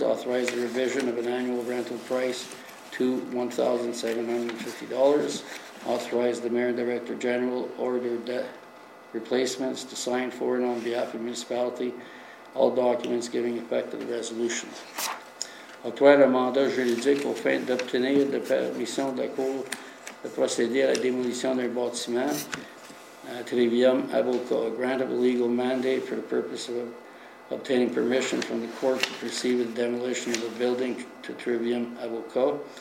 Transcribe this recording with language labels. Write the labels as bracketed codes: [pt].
[en] Authorize the revision of an annual rental price to $1,750. Authorize the mayor and director general order the replacements to sign for and on behalf of the municipality all documents giving effect to the resolution. [fr] Octroyer un mandat juridique aux fins d'obtenir la permission de la cour de procéder à la démolition d'un bâtiment. [en] Trivium Avocat, grant of a legal mandate for the purpose of obtaining permission from the court to proceed with the demolition of a building to Trivium Avocat.